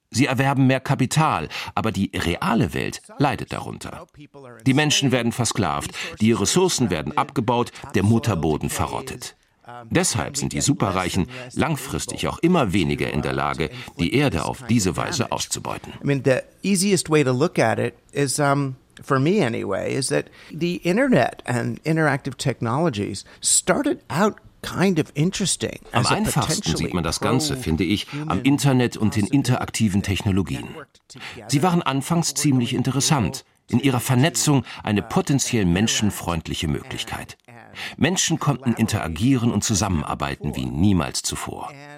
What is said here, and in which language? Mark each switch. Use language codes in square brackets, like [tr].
[de] Sie erwerben mehr Kapital, aber die reale Welt leidet darunter. Die Menschen werden versklavt, die Ressourcen werden abgebaut, der Mutterboden verrottet. Deshalb sind die Superreichen langfristig auch immer weniger in der Lage, die Erde auf diese Weise auszubeuten. [en] I mean, the easiest way to look at it is, for me anyway, is that the Internet and interactive technologies started out kind of interesting. [de] Am einfachsten sieht man das Ganze, finde ich, am Internet und den interaktiven Technologien. Sie waren anfangs ziemlich interessant, in ihrer Vernetzung eine potenziell menschenfreundliche Möglichkeit. Menschen konnten interagieren und zusammenarbeiten wie niemals zuvor.